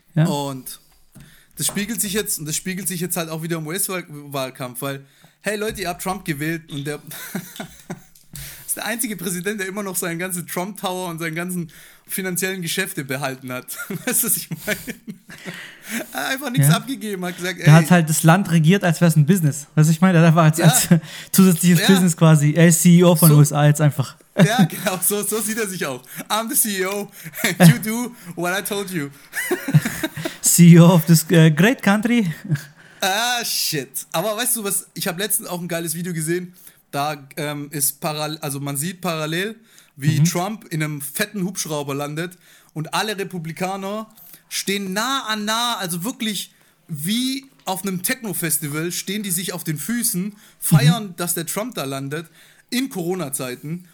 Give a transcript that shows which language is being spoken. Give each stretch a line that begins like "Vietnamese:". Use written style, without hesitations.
German: Und das spiegelt sich jetzt, und das spiegelt sich jetzt halt auch wieder im US-Wahlkampf, weil, hey Leute, ihr habt Trump gewählt und der ist der einzige Präsident, der immer noch seinen ganzen Trump-Tower und seinen ganzen finanziellen Geschäfte behalten hat. Weißt du, was ich meine? Er hat einfach nichts abgegeben, hat gesagt, ey. Er hat halt das Land regiert, als wäre es ein Business. Weißt du, ich meine? Er hat einfach als zusätzliches Business quasi. Er ist CEO von USA jetzt einfach. Ja, genau, so sieht er sich auch.
English: I'm the CEO, and you do what I told you. CEO of this great country. Ah, shit.
German: Aber weißt du was, ich habe letztens auch ein geiles Video gesehen, da ist parallel, wie Trump in einem fetten Hubschrauber landet und alle Republikaner stehen nah an nah, also wirklich wie auf einem Techno-Festival, stehen die sich auf den Füßen, feiern, dass der Trump da landet, in Corona-Zeiten.